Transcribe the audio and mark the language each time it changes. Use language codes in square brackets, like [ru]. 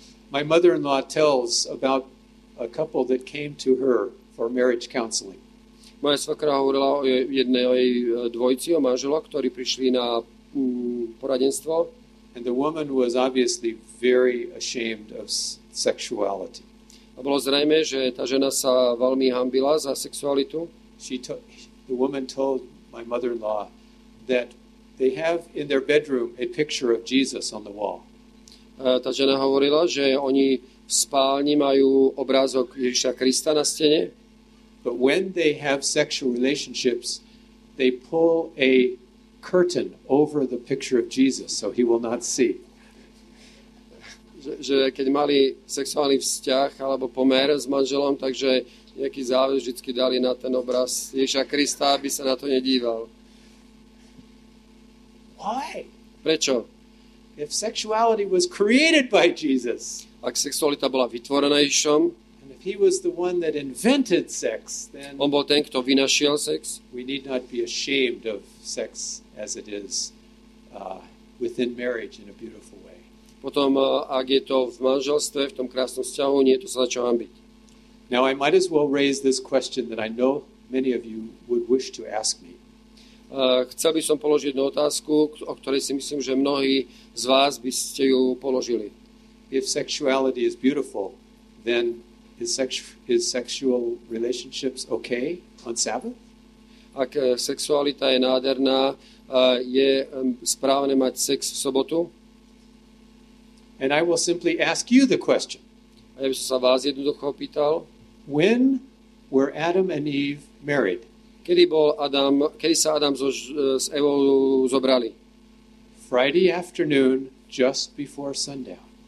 [en] My mother-in-law tells about a couple that came to her for marriage counseling. [sk] Moja svokra hovorila o jednej dvojici, o manželo, ktorí prišli na poradenstvo. [en] And the woman was obviously very ashamed of sexuality. [sk] A bolo zrejme, že tá žena sa veľmi hanbila za sexualitu. [en] The woman told my mother-in-law that they have in their bedroom a picture of Jesus on the wall. [sk] Tá žena hovorila, že oni v spálni majú obrázok Ježiša Krista na stene. [en] But when they have sexual relationships, they pull a curtain over the picture of Jesus so he will not see. [sk] Že keď mali sexuálny vzťah alebo pomer s manželom, takže nejaký záväz vždycky dali na ten obraz Ježiša Krista, aby sa na to nedíval. [en] Why? [sk] Prečo? [en] If sexuality was created by Jesus. [sk] Ak sexualita bola vytvorená Ježišom, [en] he was the one that invented sex, then [sk] on bol ten, kto vynašiel sex. [en] We need not be ashamed of sex as it is within marriage in a beautiful way. [sk] Potom, ak je to v manželstve, v tom krásnom vzťahu, nie je to sa za čo hanbiť. [en] Now I might as well raise this question that I know many of you would wish to ask me. [sk] Chcel by som položiť jednu otázku, o ktorej si myslím, že mnohí z vás by ste ju položili. [en] If sexuality is beautiful, then is sexual relationships okay on Sabbath? [sk] Ak sexualita je nádherná, je správne mať sex v sobotu? [en] And I will simply ask you the question. [sk] A ja by som sa vás jednoducho pýtal. [en] When were Adam and Eve married? [sk] Kedy sa Adam s Evou zobrali? [en] Friday afternoon, just before sundown.